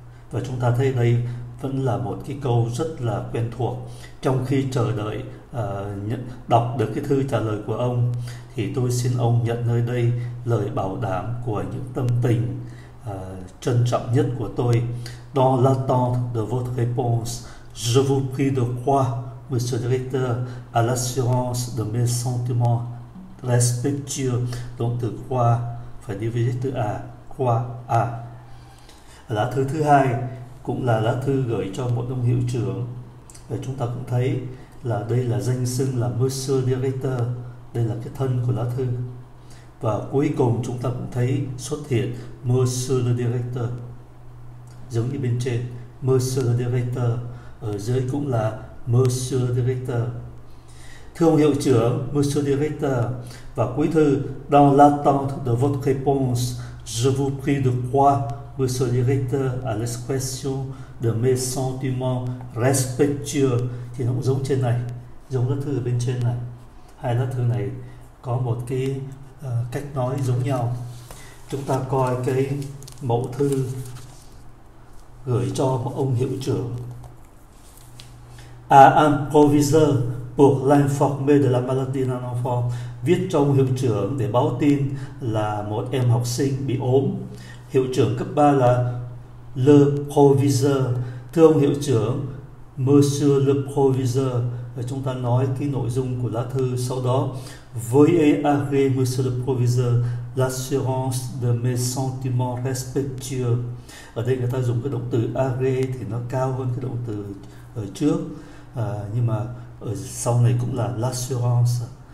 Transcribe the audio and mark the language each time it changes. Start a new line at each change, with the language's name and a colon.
Vietnamese: Và chúng ta thấy đây vẫn là một cái câu rất là quen thuộc. Trong khi chờ đợi đọc được cái thư trả lời của ông, thì tôi xin ông nhận nơi đây lời bảo đảm của những tâm tình trân trọng nhất của tôi.
French: Dans l'attente de votre réponse, je vous prie de croire, monsieur le directeur, à l'assurance de mes sentiments respectueux.
Vietnamese: Donc, từ croire, phải đi với từ à, croire, à. Lá thư thứ hai cũng là lá thư gửi cho một ông hiệu trưởng. Và chúng ta cũng thấy là đây là danh xưng là
French: monsieur le directeur.
Vietnamese: Đây là cái thân của lá thư. Và cuối cùng chúng ta cũng thấy xuất hiện
French: Monsieur le Directeur,
Vietnamese: giống như bên trên Monsieur le Directeur, ở dưới cũng là Monsieur le Directeur. Thưa ông hiệu trưởng,
French: Monsieur le Directeur,
Vietnamese: và cuối thư,
French: dans l'attente de votre réponse, je vous prie de croire, Monsieur le Directeur, à l'expression de mes sentiments respectueux.
Vietnamese: Thì nó cũng giống trên này, giống lá thư ở bên trên này. Hai lá thư này có một cái cách nói giống nhau. Chúng ta coi cái mẫu thư gửi cho một ông hiệu trưởng.
French: À, un proviseur pour l'informer de la maladie d'un enfant.
Vietnamese: Viết cho ông hiệu trưởng để báo tin là một em học sinh bị ốm. Hiệu trưởng cấp 3 là le proviseur. Thưa ông hiệu trưởng,
French: monsieur le proviseur.
Vietnamese: Và chúng ta nói cái nội dung của lá thư sau đó.
French: Veuillez agréer, monsieur le proviseur, l'assurance de mes sentiments respectueux.
Vietnamese: Ở đây người ta dùng cái động từ agréer thì nó cao hơn cái động từ ở trước. Nhưng mà ở sau này cũng là l'assurance.